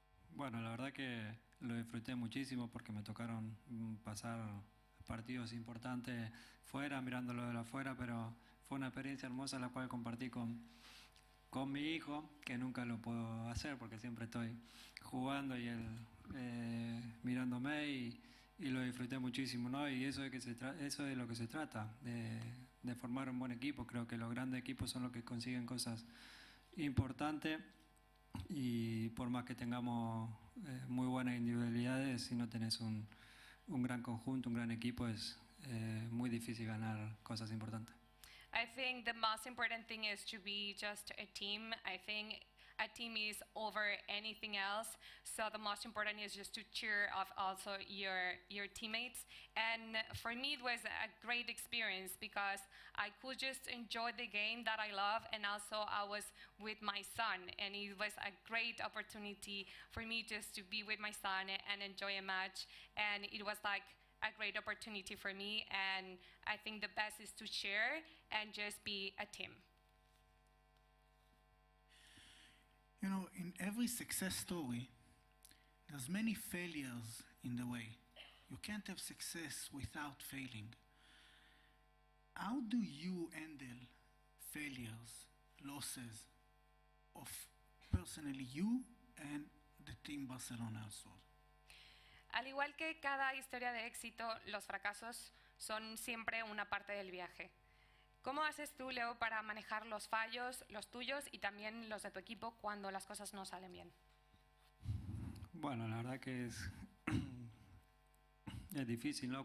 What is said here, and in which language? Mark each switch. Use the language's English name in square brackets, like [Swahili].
[Spanish] Bueno, la verdad que lo disfruté muchísimo porque me tocaron pasar partidos importantes fuera, mirándolo de afuera, pero fue una experiencia hermosa la cual compartí con mi hijo, que nunca lo puedo hacer porque siempre estoy jugando y él mirándome y lo disfruté muchísimo, ¿no? Y eso es, eso es lo que se trata, de formar un buen equipo. Creo que los grandes equipos son los que consiguen cosas importantes. Y por más que tengamos muy buenas individualidades, si no tenés un gran conjunto, un gran equipo, es muy difícil ganar cosas importantes. [English] I think the most important thing is to be just a team. I think a team is over anything else. So the most important is just to cheer off also your teammates. And for me, it was a great experience because I could just enjoy the game that I love. And also I was with my son, and it was a great opportunity for me just to be with my son and enjoy a match. And it was like a great opportunity for me. And I think the best is to share and just be a team. You know, in every success story, there's many failures in the way. You can't have success without failing. How do you handle failures, losses of personally you and the team Barcelona as well? [Spanish] Al igual que cada historia de éxito, los fracasos son siempre una parte del viaje. ¿Cómo haces tú, Leo, para manejar los fallos, los tuyos y también los de tu equipo cuando las cosas no salen bien? Bueno, la verdad que es difícil, ¿no?